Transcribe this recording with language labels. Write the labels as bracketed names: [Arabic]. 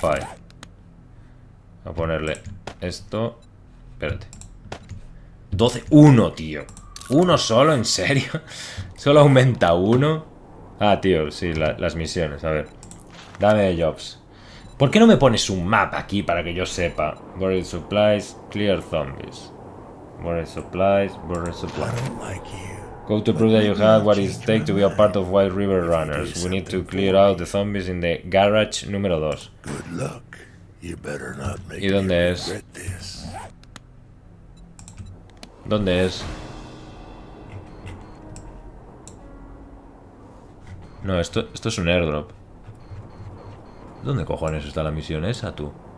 [Spanish] Modify. Voy a ponerle esto. Espérate. 12. ¡Uno, tío! ¿Uno solo? ¿En serio? ¿Solo aumenta uno? Ah, tío, sí, las misiones. A ver. Dame jobs. ¿Por qué no me pones un mapa aquí para que yo sepa? [English] Buried supplies, clear zombies. Buried supplies, buried supplies. Go to prove that you have what it takes to be a part of Wild River Runners. We need to clear out the zombies in the garage número 2. Good luck. You better not make [Spanish] ¿Y dónde es? [English] This. [Spanish] ¿Dónde es? No, esto es un airdrop. ¿Dónde cojones está la misión esa, tú?